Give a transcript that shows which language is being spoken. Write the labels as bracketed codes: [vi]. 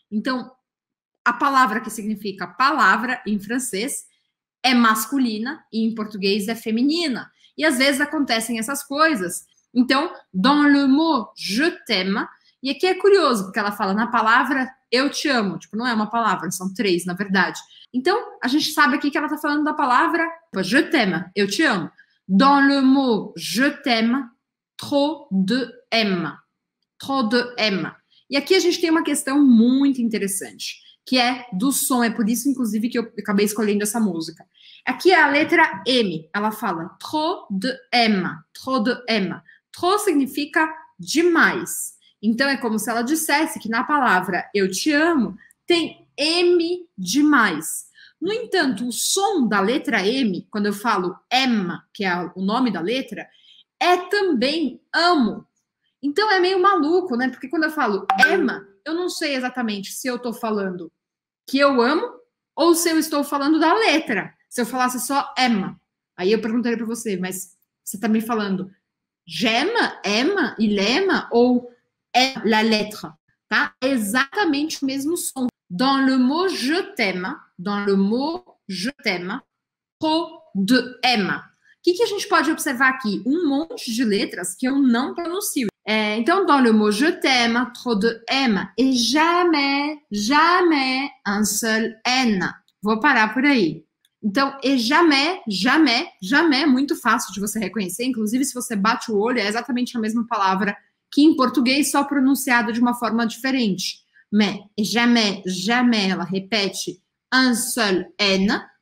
[pt] Então, a palavra que significa palavra em francês é masculina e em português é feminina. E às vezes acontecem essas coisas. Então, [fr] dans le mot je t'aime, [pt] e aqui é curioso, porque ela fala na palavra eu te amo, tipo, não é uma palavra, são três, na verdade. Então, a gente sabe aqui que ela está falando da palavra [fr] je t'aime, [pt] eu te amo. [fr] Dans le mot je t'aime, trop de aime, trop de aime. [pt] E aqui a gente tem uma questão muito interessante, que é do som, é por isso, inclusive, que eu acabei escolhendo essa música. Aqui é a letra M, ela fala [fr] trop de aime, trop de aime. [pt] Trop significa demais. Então, é como se ela dissesse que na palavra eu te amo, tem M demais. No entanto, o som da letra M, quando eu falo aime, que é o nome da letra, é também amo. Então, é meio maluco, né? Porque quando eu falo aime, eu não sei exatamente se eu estou falando que eu amo ou se eu estou falando da letra. Se eu falasse só Emma, aí eu perguntaria para você, mas você está me falando Gemma, Emma, Ilema ou é [fr] la lettre, [pt] tá? Exatamente o mesmo som. [fr] Dans le mot je t'aime, dans le mot je t'aime, trop de Emma. [pt] O que a gente pode observar aqui? Um monte de letras que eu não pronuncio. Então, [fr] dans le mot je t'aime, trop de Emma, et jamais, jamais un seul N. [pt] Vou parar por aí. Então, e jamais, jamais, jamais, muito fácil de você reconhecer. Inclusive, se você bate o olho, é exatamente a mesma palavra que em português, só pronunciada de uma forma diferente. Mais, e jamais, jamais, ela repete [fr] un seul N.